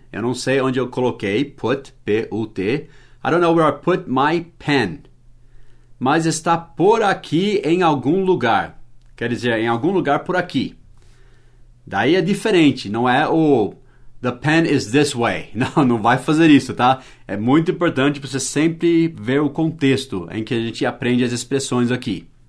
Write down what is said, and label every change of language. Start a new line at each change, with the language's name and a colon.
Portuguese: Eu não sei onde eu coloquei, put, P-U-T.
English: I don't know where I put my pen.
Portuguese: Mas está por aqui em algum lugar. Quer dizer, em algum lugar por aqui. Daí é diferente, não é o
English: the pen is this way.
Portuguese: Não, não vai fazer isso, tá? É muito importante você sempre ver o contexto em que a gente aprende as expressões aqui.